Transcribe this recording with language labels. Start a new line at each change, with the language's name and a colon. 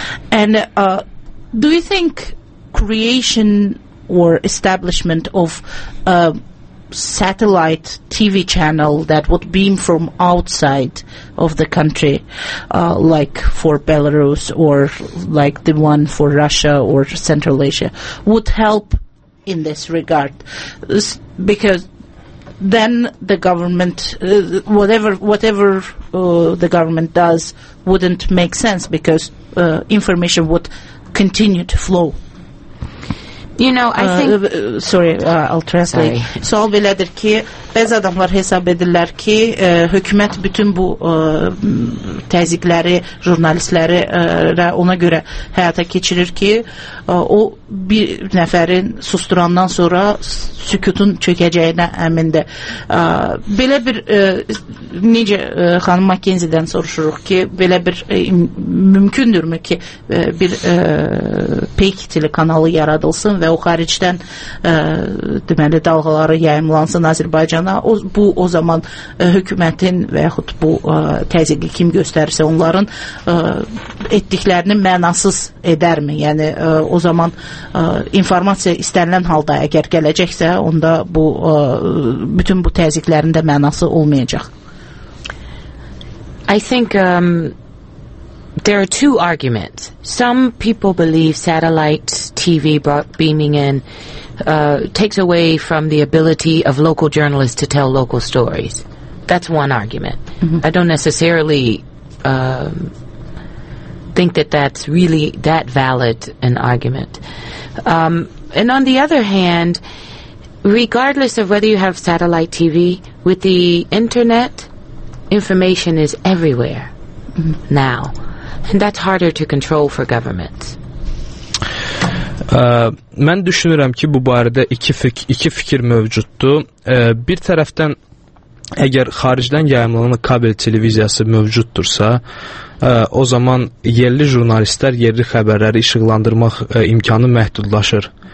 English: And do you think creation or establishment of a satellite TV channel that would beam from outside of the country, like for Belarus or like the one for Russia or Central Asia, would help in this regard? Because then the government, whatever the government does, wouldn't make sense because information would continue to flow. You know, I think... I'll translate.
Azerbaijani: Sual belədir ki, bəzi adamlar hesab edirlər ki, hökumət bütün bu təzikləri, jurnalistləri ona görə həyata keçirir ki, o bir nəfərin susturandan sonra sükutun çökəcəyinə əmindir. Belə bir, necə xanım McKinsey-dən soruşuruq ki, belə bir mümkündürmü ki, bir peyk telekanalı yaradılsın və o xaricdən deməli dalğaları yayımlansın Azərbaycana, o zaman hökumətin və yaxud bu təzyiqi kim göstərirsə onların etdiklərini mənasız edərmi? Yəni o zaman informasiya istənilən halda əgər gələcəksə, onda bu bütün bu təzyiqlərin də mənası olmayacaq.
English: I think there are two arguments. Some people believe satellite TV beaming in takes away from the ability of local journalists to tell local stories. That's one argument. Mm-hmm. I don't necessarily think that that's really that valid an argument. And on the other hand, regardless of whether you have satellite TV, with the internet, information is everywhere now. And that's harder to control for governments.
Azerbaijani: Mən düşünürəm ki, bu barədə iki fikir mövcuddur. Bir tərəfdən, əgər xaricdən yayımlanan kabel televiziyası mövcuddursa, o zaman yerli jurnalistlər yerli xəbərləri işıqlandırmaq imkanı məhdudlaşır.